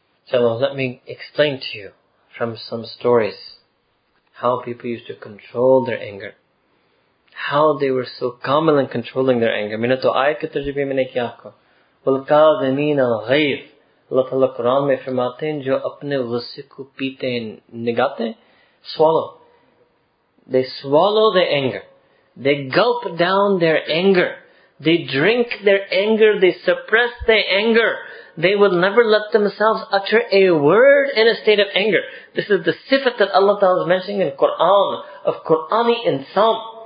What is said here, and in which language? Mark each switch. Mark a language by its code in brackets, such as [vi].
[en] So let me explain to you from some stories how people used to control their anger, how they were so common in controlling their anger. [ur] میں نے تو آیت کے ترجمے میں نے کیا کہا, والقاذمین الغیظ. اللہ تعالیٰ قرآن میں فرماتے ہیں جو اپنے غصے کو پیتے ہیں, نگاتے ہیں, swallow. [en] They swallow their anger. They gulp down their anger. They drink their anger. They suppress their anger. They will never let themselves utter a word in a state of anger. This is the sifat that Allah Ta'ala is mentioning in Quran, of Qur'ani insan.